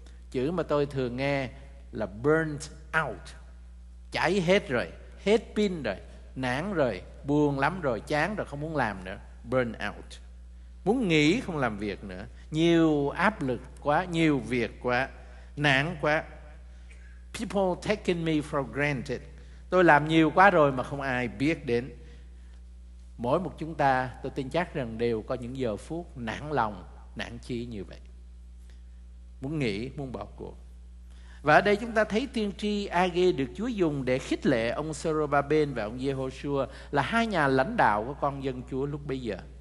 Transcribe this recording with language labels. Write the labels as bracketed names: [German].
[Vietnamese] Chữ mà tôi thường nghe là burnt out. Cháy hết rồi, hết pin rồi, nản rồi, buồn lắm rồi, chán rồi, không muốn làm nữa, burn out, muốn nghỉ không làm việc nữa. nhiều áp lực quá, nhiều việc quá, nản quá. [English] People taking me for granted. [Vietnamese] Tôi làm nhiều quá rồi mà không ai biết đến. Mỗi một chúng ta, tôi tin chắc rằng đều có những giờ phút nản lòng, nản chí như vậy. Muốn nghỉ, muốn bỏ cuộc. Và ở đây chúng ta thấy tiên tri Agê được Chúa dùng để khích lệ ông Zerubbabel và ông Yehoshua là hai nhà lãnh đạo của con dân Chúa lúc bấy giờ.